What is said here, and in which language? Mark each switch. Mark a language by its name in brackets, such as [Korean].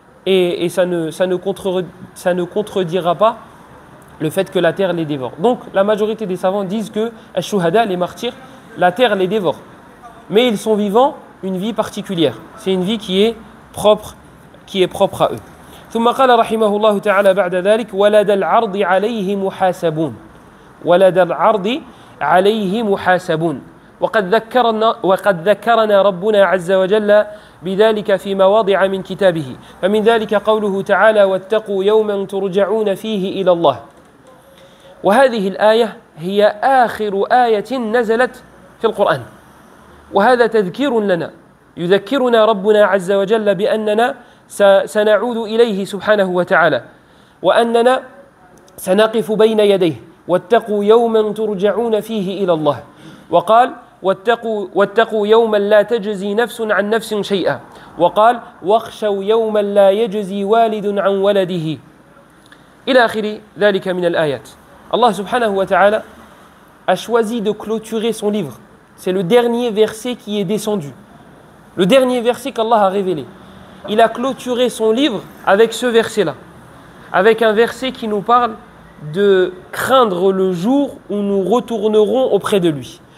[French] Et ça ne contredira pas le fait que la terre les dévore. Donc la majorité des savants disent que ash-shuhada, les martyrs, la terre les dévore. Mais ils sont vivants une vie particulière. C'est une vie qui est propre à eux. [Arabic] ثم قال رحمه الله تعالى بعد ذلك ولد العرض عليه محاسبون. ولد العرض عليه محاسبون. وقد ذكرنا ربنا عز وجل بذلك في مواضع من كتابه. فمن ذلك قوله تعالى واتقوا يوما ترجعون فيه الى الله. وهذه الآية هي آخر آية نزلت في القرآن. وهذا تذكير لنا, يذكرنا ربنا عز وجل بأننا سنعود إليه سبحانه وتعالى وأننا سنقف بين يديه. واتقوا يوما ترجعون فيه إلى الله. وقال واتقوا يوما لا تجزي نفس عن نفس شيئا. وقال واخشوا يوما لا يجزي والد عن ولده إلى آخر ذلك من الآيات. الله سبحانه وتعالى [French] a choisi de clôturer son livre. C'est le dernier verset qui est descendu. Le dernier verset qu'Allah a révélé. Il a clôturé son livre avec ce verset-là. Avec un verset qui nous parle de craindre le jour où nous retournerons auprès de lui.